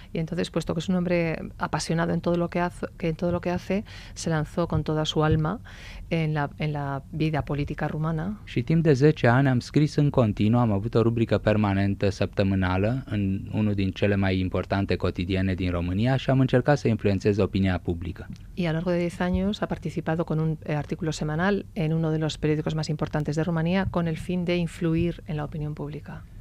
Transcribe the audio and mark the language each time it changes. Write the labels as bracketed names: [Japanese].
[Spanish] Y entonces, puesto que es un hombre apasionado en todo lo que hace, se lanzó con toda su alma en la vida política rumana. [Romanian] Și timp de 10 ani am scris în continuu, am avut o rubrică permanentă săptămânală în unul din cele mai importante cotidiene din România și am încercat să influențez opinia publică. [Spanish] Y a lo largo de 10 años ha participado con un artículo semanal en uno de los periódicos más importantes de Rumanía con el fin de influir en la opinión pública.